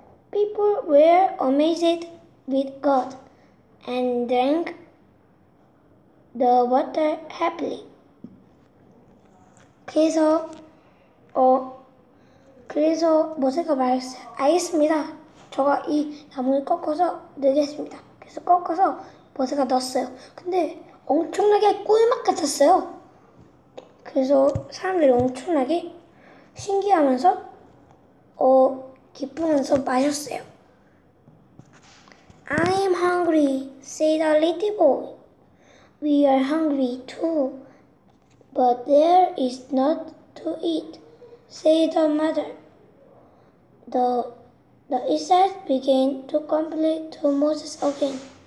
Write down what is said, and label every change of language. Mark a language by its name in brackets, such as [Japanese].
[English] People were amazed with God and drank the water happily. [Korean] 그래서 모세가 말했어요. 알겠습니다. 저가 이 나무를 꺾어서 넣겠습니다. 그래서 꺾어서 모세가 넣었어요. 근데 엄청나게 꿀맛 같았어요. 그래서 사람들이 엄청나게 신기하면서 기쁘면서 마셨어요. [English] I'm hungry, said a little boy. We are hungry too, but there is not to eat, said the mother. The Israelites began to complain to Moses again.